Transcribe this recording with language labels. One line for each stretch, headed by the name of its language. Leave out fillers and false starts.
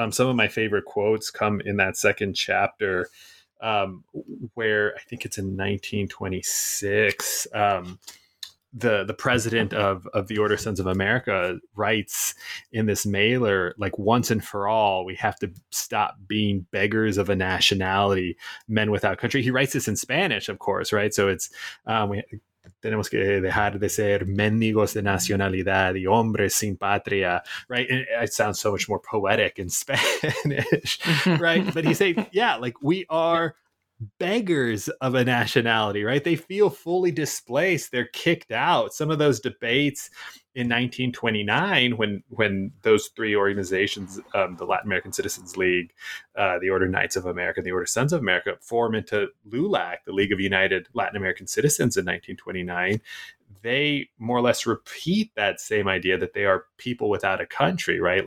English: Some of my favorite quotes come in that second chapter, where I think it's in 1926, the president of the Order Sons of America writes in this mailer, like, once and for all, we have to stop being beggars of a nationality, men without country. He writes this in Spanish, of course, right? So it's,
Spanish: tenemos que dejar de ser mendigos de nacionalidad y hombres sin patria,
English: right? And it sounds so much more poetic in Spanish, right? But he's saying, yeah, like, we are beggars of a nationality, right? They feel fully displaced. They're kicked out. Some of those debates in 1929, when those three organizations, the Latin American Citizens League, the Order Knights of America, and the Order Sons of America, form into LULAC, the League of United Latin American Citizens in 1929, they more or less repeat that same idea that they are people without a country, right?